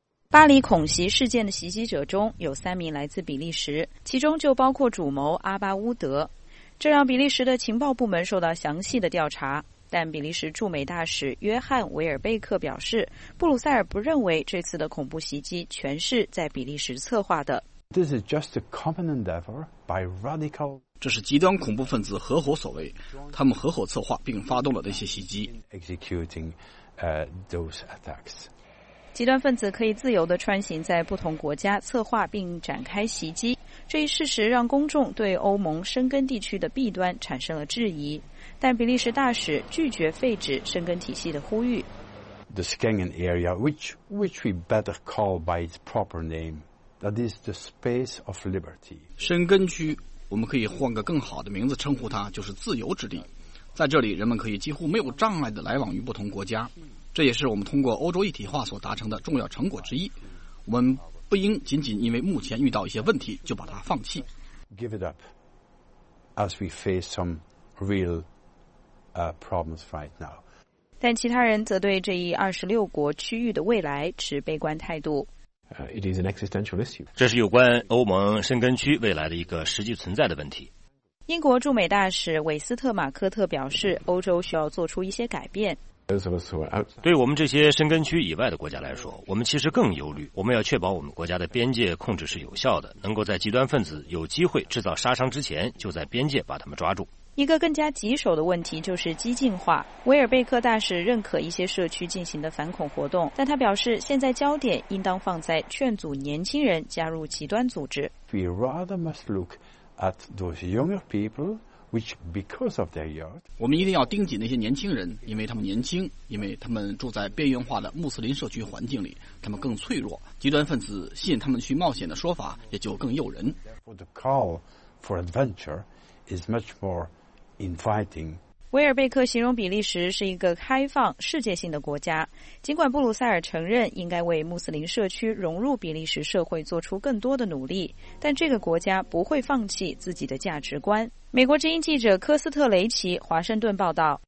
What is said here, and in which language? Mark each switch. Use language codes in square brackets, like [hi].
[zh] 巴黎恐袭事件的袭击者中有3名来自比利时，其中就包括主谋阿巴乌德，这让比利时的情报部门受到详细的调查。但比利时驻美大使约翰·维尔贝克表示，布鲁塞尔不认为这次的恐怖袭击全是在比利时策划的。 [en] This is just a common endeavor by radical. [zh] 这是极端恐怖分子合伙所为，他们合伙策划并发动了这些袭击。 [en] Executing those attacks. [zh] 极端分子可以自由地穿行在不同国家，策划并展开袭击。这一事实让公众对欧盟申根地区的弊端产生了质疑，但比利时大使拒绝废止申根体系的呼吁。 [en] The Schengen area, which we better call by its proper name, that is the space of liberty. [zh] 申根区，我们可以换个更好的名字称呼它，就是自由之地。在这里，人们可以几乎没有障碍地来往于不同国家，这也是我们通过欧洲一体化所达成的重要成果之一。我们不应仅仅因为目前遇到一些问题就把它放弃。 [en] Give it up, as we face some real problems right now. [zh] 但其他人则对这一26国区域的未来持悲观态度。 [en] It is an existential issue. [zh] 这是有关欧盟申根区未来的一个实际存在的问题。英国驻美大使韦斯特马科特表示，欧洲需要做出一些改变。对我们这些申根区以外的国家来说，我们其实更忧虑。我们要确保我们国家的边界控制是有效的，能够在极端分子有机会制造杀伤之前，就在边界把他们抓住。一个更加棘手的问题就是激进化。威尔贝克大使认可一些社区进行的反恐活动，但他表示，现在焦点应当放在劝阻年轻人加入极端组织。 [en] We rather must look. At those younger people, which because of their youth, [zh] 我们一定要盯紧那些年轻人，因为他们年轻，因为他们住在边缘化的穆斯林社区环境里，他们更脆弱。极端分子吸引他们去冒险的说法也就更诱人。 [en] Therefore, the call for adventure is much more inviting. [zh] 威尔贝克形容比利时是一个开放、世界性的国家。尽管布鲁塞尔承认应该为穆斯林社区融入比利时社会做出更多的努力，但这个国家不会放弃自己的价值观。美国之音记者科斯特雷奇，华盛顿报道。